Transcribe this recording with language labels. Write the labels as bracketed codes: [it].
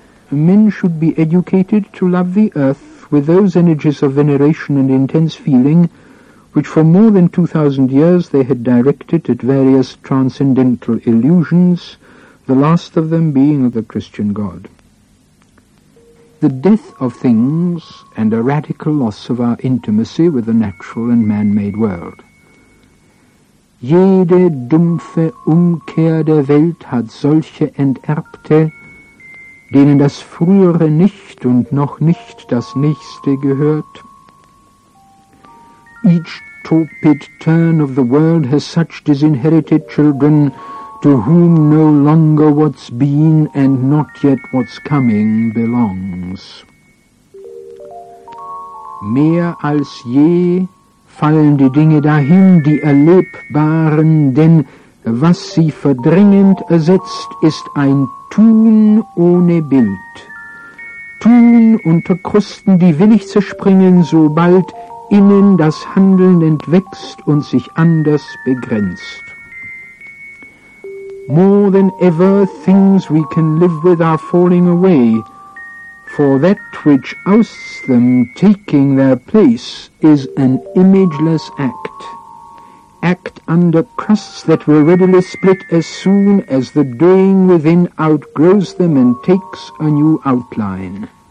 [en] Men should be educated to love the earth with those energies of veneration and intense feeling which for more than 2,000 years they had directed at various transcendental illusions, the last of them being the Christian God. The death of things and a radical loss of our intimacy with the natural and man-made world. [de] Jede dumpfe Umkehr der Welt hat solche Enterbte, denen das Frühere nicht und noch nicht das Nächste gehört. [en] Each torpid turn of the world has such disinherited children to whom no longer what's been and not yet what's coming belongs. [de] Mehr als je fallen die Dinge dahin, die erlebbaren, denn was sie verdrängend ersetzt, ist ein Tun ohne Bild. Tun unter Krusten, die willig zerspringen, sobald innen das Handeln entwächst und sich anders begrenzt. [en] More than ever, things we can live with are falling away, for that which ousts them, taking their place, is an imageless act. Act under crusts that will readily split as soon as the doing within outgrows them and takes a new outline.